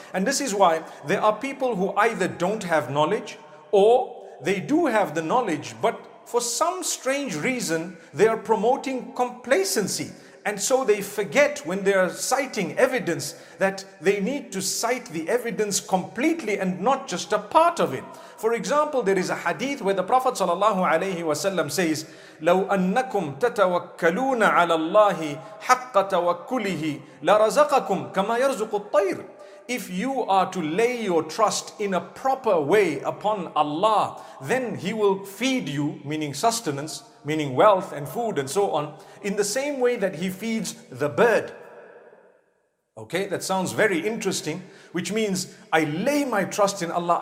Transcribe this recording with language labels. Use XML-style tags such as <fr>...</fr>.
<en>And this is why there are people who either don't have knowledge, or they do have the knowledge, but for some strange reason, they are promoting complacency. And so they forget when they are citing evidence that they need to cite the evidence completely and not just a part of it. For example, there is a hadith where the Prophet ﷺ says,</en> <ar>لَوْ أَنَّكُمْ تَتَوَكَّلُونَ عَلَى اللَّهِ حَقَّ تَوَكُّلِهِ لَرَزَقَكُمْ كَمَا يَرْزُقُ الطَّيْرِ.</ar> <en>If you are to lay your trust in a proper way upon Allah, then He will feed you, meaning sustenance, meaning wealth and food and so on, in the same way that He feeds the bird. Okay, that sounds very interesting, which means I lay my trust in Allah.</en>